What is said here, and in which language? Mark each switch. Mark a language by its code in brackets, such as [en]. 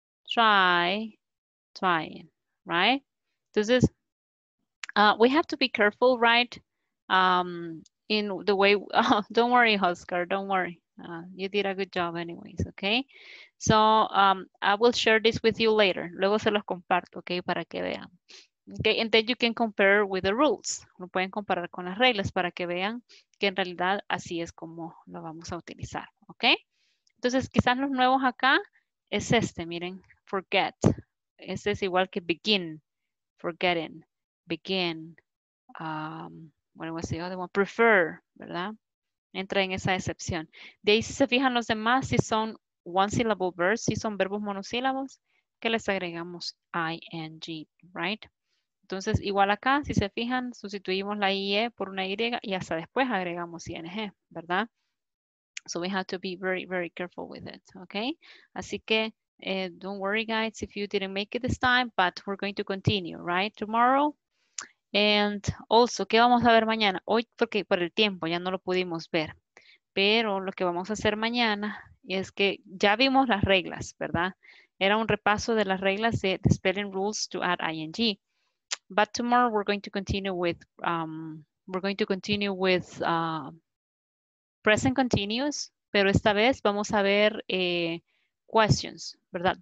[en] Try, trying, right? [es] Entonces, [en] we have to be careful, right? In the way, don't worry, Oscar, don't worry. You did a good job anyways, okay? So I will share this with you later. [es] Luego se los comparto, okay, para que vean. [en] Okay, and then you can compare with the rules. [es] Lo pueden comparar con las reglas para que vean que en realidad así es como lo vamos a utilizar, okay? Entonces, quizás los nuevos acá es este, miren, forget. Este es igual que begin, forgetting, begin. [en] What was the other one? Prefer, [es] ¿verdad? Entra en esa excepción. De ahí, si se fijan los demás, si son [en] one syllable verbs, [es] si son verbos monosílabos, que les agregamos ing, right? Entonces, igual acá, si se fijan, sustituimos la ie por una y y hasta después agregamos ing, ¿verdad? [en] So we have to be very, very careful with it, okay? [es] Así que, [en] don't worry, guys, if you didn't make it this time, but we're going to continue, right? Tomorrow. And also, [es] ¿qué vamos a ver mañana? Hoy, porque por el tiempo ya no lo pudimos ver. Pero lo que vamos a hacer mañana es que ya vimos las reglas, ¿verdad? Era un repaso de las reglas de [en] the spelling rules to add ing. But tomorrow we're going to continue with, present continuous, [es] pero esta vez vamos a ver questions, ¿verdad?